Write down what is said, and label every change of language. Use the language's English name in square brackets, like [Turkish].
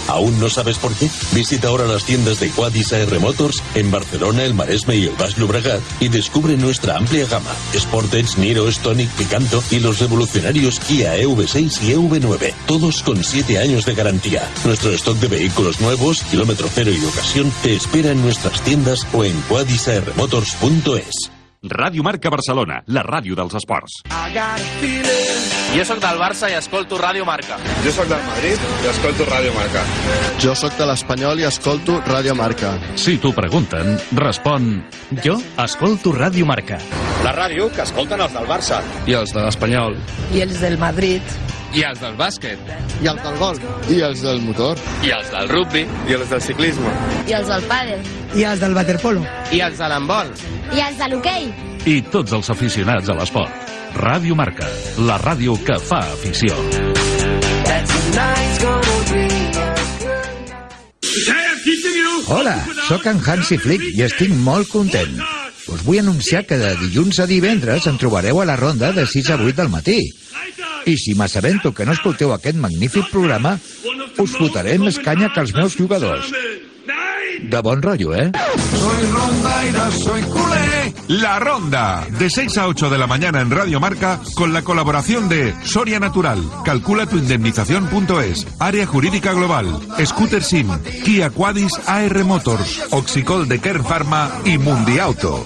[Spanish] ¿Aún no sabes por qué? Visita ahora las tiendas de Quadis AR Motors en Barcelona, el Maresme y el Baix Llobregat y descubre nuestra amplia gama. Sportage, Niro, Stonic, Picanto y los revolucionarios Kia EV6 y EV9. Todos con 7 años de garantía. Nuestro stock de vehículos nuevos, kilómetro cero y ocasión, te espera en nuestras tiendas o en quadisarmotors.es. [Catalan] Ràdio Marca Barcelona, la ràdio dels esports. Jo sóc del Barça i escolto Ràdio Marca. Jo sóc del Madrid i escolto Ràdio Marca. Jo sóc de l'Espanyol i escolto Ràdio Marca. Si t'ho pregunten, respon: jo escolto Ràdio Marca. La ràdio que escolten els del Barça. I els de l'Espanyol. I els del Madrid. I els del bàsquet. I els del golf. I els del motor. I els del rugby. I els del ciclisme. I els del pàdel. I els del waterpolo. I els de l'handbol. I els de l'hoquei. I tots els aficionats a l'esport. Ràdio Marca, la ràdio que fa afició. Hola, sóc en Hansi Flick i estic molt content. Us vull anunciar que de dilluns a divendres em trobareu a la ronda de 6 a 8 del matí. I si m'assabento que no escolteu aquest magnífic programa, us fotré més canya que els meus jugadors. De bon rotllo, eh? [Spanish] Soy ronda y no soy culé. La ronda, de 6 a 8 de la mañana en Radio Marca, con la colaboración de Soria Natural, calculatuindemnización.es, Área Jurídica Global, Scooter Sim, Kia Quadis AR Motors, Oxicol de Kern Pharma y Mundi Auto.